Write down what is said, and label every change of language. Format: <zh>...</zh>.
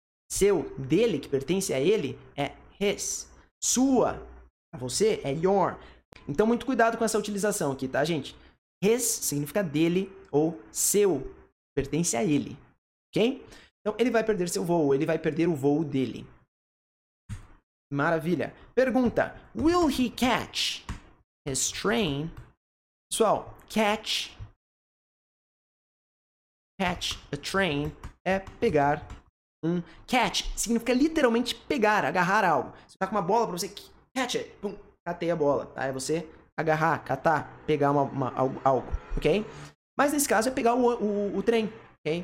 <pt>Seu dele, que pertence a ele, é his. Sua, a você, é your. Então, muito cuidado com essa utilização aqui, tá, gente? His significa dele ou seu, pertence a ele, ok? Então, ele vai perder seu voo, ele vai perder o voo dele. Maravilha.</pt> <en>Pergunta, will he catch his train?</en> <pt>Pessoal,</pt> <en>catch a train</en> <pt>é pegar um... Catch significa literalmente pegar, agarrar algo. Você tá com uma bola pra você,</pt> <en>catch it,</en> <pt>pum, catei a bola, tá? É você... Agarrar, catar, pegar algo, ok? Mas nesse caso é pegar o trem, ok?</pt>